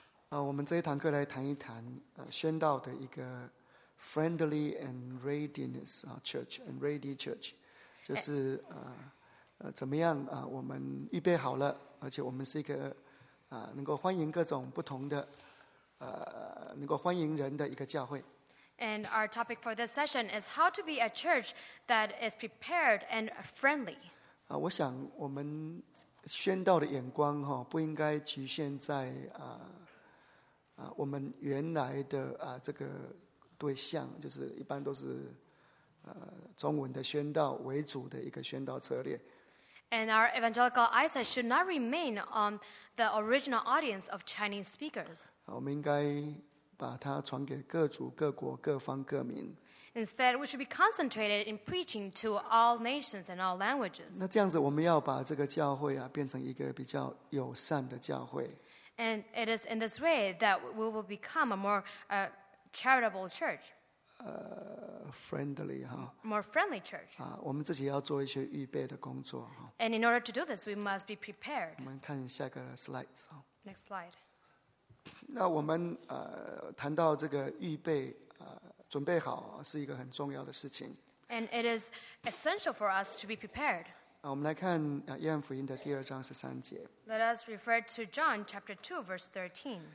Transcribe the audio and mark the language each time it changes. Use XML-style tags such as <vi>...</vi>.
<zh>我们这一堂课来谈一谈宣道的一个</zh> <en>friendly and readiness church and ready church，</en> <zh>就是怎么样我们预备好了，而且我们是一个能够欢迎各种不同的能够欢迎人的一个教会。</zh> <en>And our topic for this session is how to be a church that is prepared and friendly.</en> <zh>我想我们宣道的眼光不应该局限在我们原来的这个对象，就是一般都是中文的宣道为主的一个宣道策略。</zh> <en>And our evangelical eyesight should not remain on the original audience of Chinese speakers.</en> <zh>我们应该把它传给各族各国各方各民。</zh> <en>Instead, we should be concentrated in preaching to all nations and all languages.</en> <zh>那这样子，我们要把这个教会变成一个比较友善的教会。</zh> <en>And it is in this way that we will become a more charitable church. Friendly, More friendly church.</en> <zh>我们自己要做一些预备的工作。</zh> <en>And in order to do this, we must be prepared.</en> <zh>我们看下个 slide.</zh> <en>Next slide.</en> <zh>那我们谈到这个预备准备好是一个很重要的事情。</zh> <en>And it is essential for us to be prepared.</en> <zh>我们来看约翰福音的第二章十三节。</zh> <en>Let us refer to John chapter 2 verse 13.</en>